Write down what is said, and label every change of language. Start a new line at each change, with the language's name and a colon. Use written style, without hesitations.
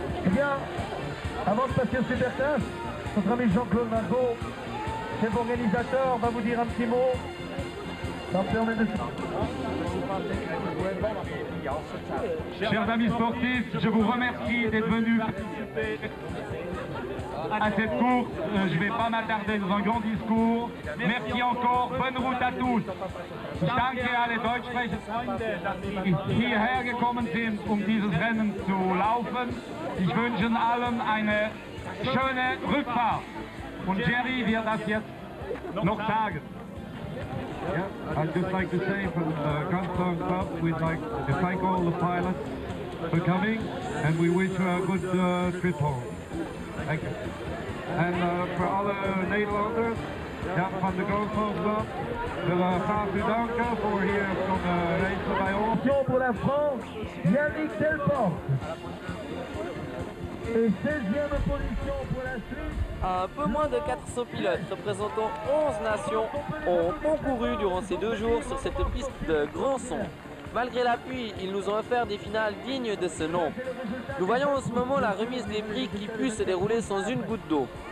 French: Bien, avant de passer au Superclass, notre ami Jean-Claude Margot, chef organisateur, va vous dire un petit mot. Chers amis sportifs, je vous remercie d'être venus participer. à cette course. Je ne vais pas m'attarder dans un grand discours. Merci encore. Bonne route à tous.
German: Danke alle Deutschsprecher, die hierher gekommen sind, um dieses Rennen zu laufen. Ich wünsche allen eine schöne Rückfahrt. Und Jerry wird das jetzt noch sagen.
English: Yeah, I'd just like to say from the Gunstone Club, we'd like to thank all the pilots for coming, and we wish you a good trip home. Thank you. And for all the Nederlanders, yeah, from the Gunstone Club, we'll pass you down here for the race of our own.
French: Attention pour la France, Yannick Delporte. Et 16e position pour la Suisse. Un peu moins de 400 pilotes représentant 11 nations ont concouru durant ces deux jours sur cette piste de grand son. Malgré la pluie, ils nous ont offert des finales dignes de ce nom. Nous voyons en ce moment la remise des prix qui put se dérouler sans une goutte d'eau.